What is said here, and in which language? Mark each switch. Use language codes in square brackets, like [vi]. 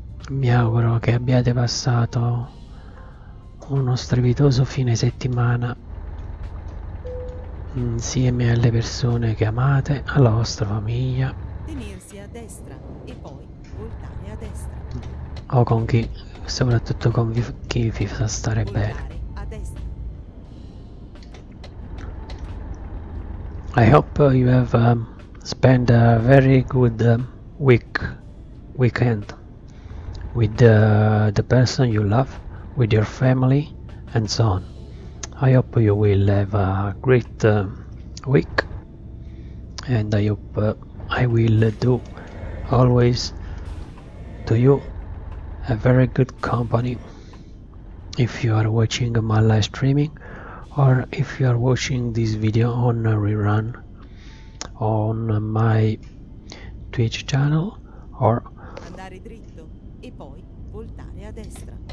[it] Mi auguro che abbiate passato uno strepitoso fine settimana insieme alle persone che amate, alla vostra famiglia o Tenersi a destra e poi voltare a destra. con chi, soprattutto con chi vi fa stare bene. Voltare a destra. [en] I hope you have spent a very good weekend with the person you love, with your family and so on. I hope you will have a great week, and I hope I will do always to you a very good company if you are watching my live streaming or if you are watching this video on a rerun on my Twitch channel [it] Andare dritto e poi voltare a destra.